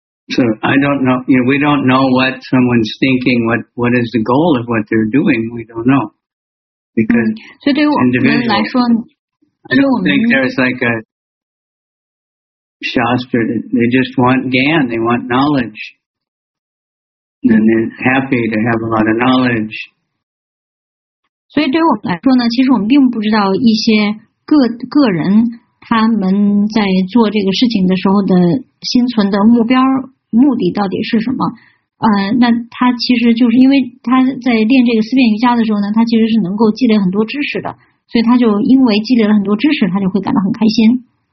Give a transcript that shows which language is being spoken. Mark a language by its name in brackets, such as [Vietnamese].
[English] So we don't know what someone's thinking, what is the goal of what they're doing, we don't know. [Chinese] 所以对于我们来说对我们 [English] there's like a Shastra, they just want Gyan, they want knowledge. And they're happy to have a lot of knowledge. [Chinese] 所以对于我们来说呢其实我们并不知道一些 个人他们在做这个事情的时候的心存的目标目的到底是什么。那他其实就是因为他在练这个思辨瑜伽的时候呢他其实是能够积累很多知识的所以他就因为积累了很多知识他就会感到很开心。